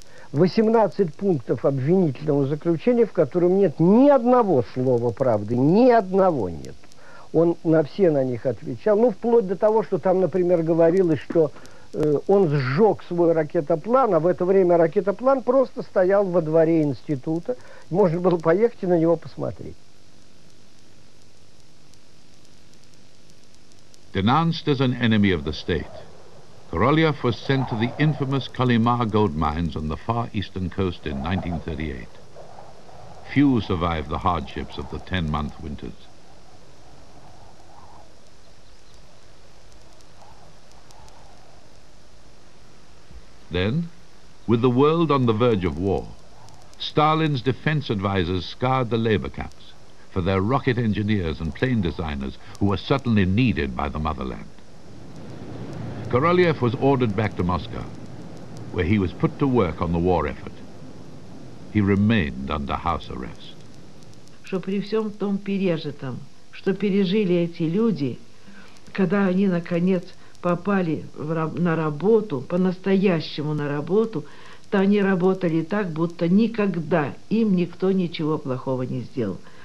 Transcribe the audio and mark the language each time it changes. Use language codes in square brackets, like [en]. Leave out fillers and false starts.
[ru] 18 пунктов обвинительного заключения, в котором нет ни одного слова правды, ни одного нет. Он на все на них отвечал. Ну, вплоть до того, что там, например, говорилось, что он сжег свой ракетоплан, а в это время ракетоплан просто стоял во дворе института. Можно было поехать и на него посмотреть. [en] Denounced as an enemy of the state, Korolyov was sent to the infamous Kolyma gold mines on the far eastern coast in 1938. Few survived the hardships of the 10-month winters. Then, with the world on the verge of war, Stalin's defense advisors scoured the labor camps for their rocket engineers and plane designers who were suddenly needed by the motherland. Korolyov was ordered back to Moscow, where he was put to work on the war effort. He remained under house arrest. [ru] Что при всем том пережитом, что пережили эти люди, когда они наконец попали на работу, по-настоящему на работу, то они работали так, будто никогда им никто ничего плохого не сделал.